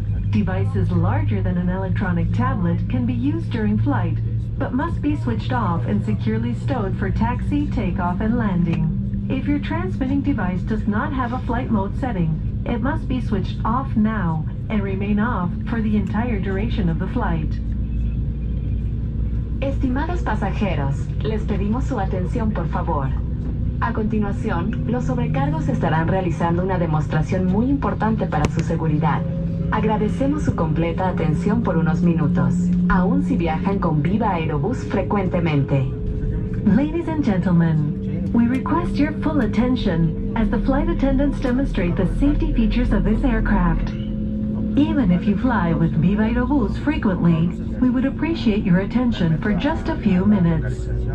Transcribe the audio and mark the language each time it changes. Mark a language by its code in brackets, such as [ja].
[en] Devices larger than an electronic tablet can be used during flight, but must be switched off and securely stowed for taxi, takeoff, and landing. If your transmitting device does not have a flight mode setting, it must be switched off now and remain off for the entire duration of the flight. [es] Estimados pasajeros, les pedimos su atención, por favor. A continuación, los sobrecargos estarán realizando una demostración muy importante para su seguridad. Agradecemos su completa atención por unos minutos, aun si viajan con Viva Aerobus frecuentemente. [en] Ladies and gentlemen, we request your full attention as the flight attendants demonstrate the safety features of this aircraft. Even if you fly with Viva Aerobus frequently, we would appreciate your attention for just a few minutes.